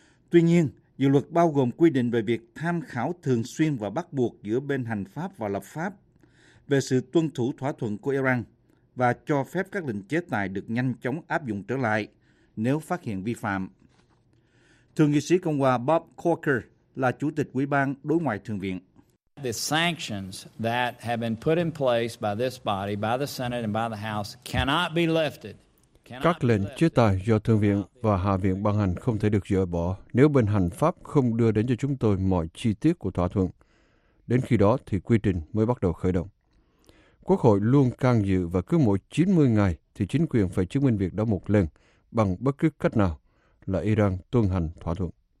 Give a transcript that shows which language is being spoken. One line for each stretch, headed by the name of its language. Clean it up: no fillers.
Vietnamese: Tuy nhiên, dự luật bao gồm quy định về việc tham khảo thường xuyên và bắt buộc giữa bên hành pháp và lập pháp về sự tuân thủ thỏa thuận của Iran và cho phép các lệnh chế tài được nhanh chóng áp dụng trở lại nếu phát hiện vi phạm. Thượng nghị sĩ Cộng hòa Bob Corker là chủ tịch Ủy ban Đối ngoại Thượng viện.
English: The sanctions that have been put in place by this body, by the Senate and by the House cannot be lifted.
Vietnamese: Các lệnh chế tài do Thượng viện và Hạ viện ban hành không thể được dỡ bỏ nếu bên hành pháp không đưa đến cho chúng tôi mọi chi tiết của thỏa thuận. Đến khi đó thì quy trình mới bắt đầu khởi động. Quốc hội luôn can dự và cứ mỗi 90 ngày thì chính quyền phải chứng minh việc đó một lần bằng bất cứ cách nào là Iran tuân hành thỏa thuận.